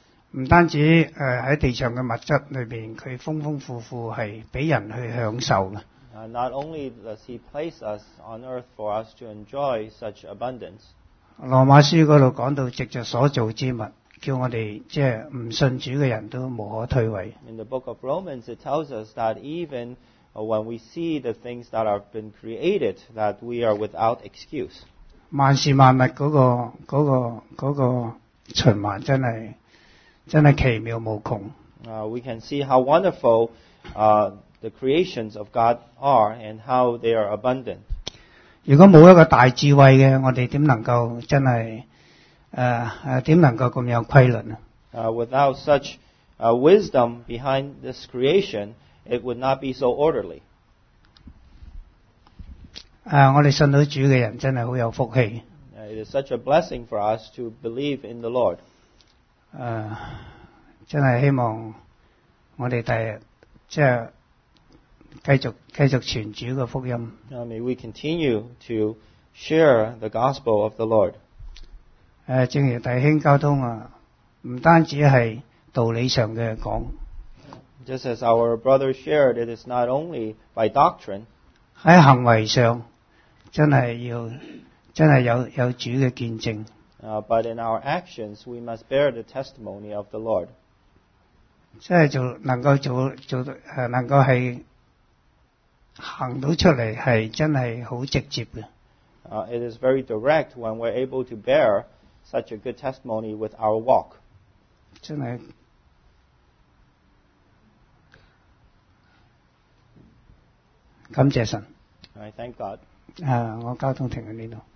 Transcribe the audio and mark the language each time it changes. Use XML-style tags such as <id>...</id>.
<zh>不单止, 在地上的物质里面, 祂丰丰富富是给人去享受,</zh> <en>Not only does he place us on earth for us to enjoy such abundance.</en> <zh>罗马书那里讲到藉着所造之物, 叫我们即是不信主的人都无可推诿。</zh> <en>In the book of Romans, it tells us that even when we see the things that have been created, that we are without excuse.</en> <zh>万事万物那个循环真的奇妙无穷。</zh> <en>We can see how wonderful the creations of God are and how they are abundant.</en> <zh>如果没有一个大智慧的, 我们怎能够真的, 怎能够这样规律呢?</zh> <en>Without such wisdom behind this creation, it would not be so orderly.</en> <zh>我们信到主的人真的很有福气。</zh> <en>It is such a blessing for us to believe in the Lord.</en> <zh>真的希望我们第一, 继续传主的福音。</zh> <en>May we continue to share the gospel of the Lord.</en> <zh>正如弟兄交通啊, 不单止是道理上的讲,</zh> <en>just as our brother shared, it is not only by doctrine.</en> <zh>在行为上, 真的有主的见证。</zh> <en>But in our actions, we must bear the testimony of the Lord.</en> <zh>真的能够做能够是 行到出来是真的很直接的。</zh> <en>It is very direct when we're able to bear such a good testimony with our walk.</en> <zh>真的, 感谢神。</zh> <en>I thank God.</en> <zh>我交通停在这里。</zh>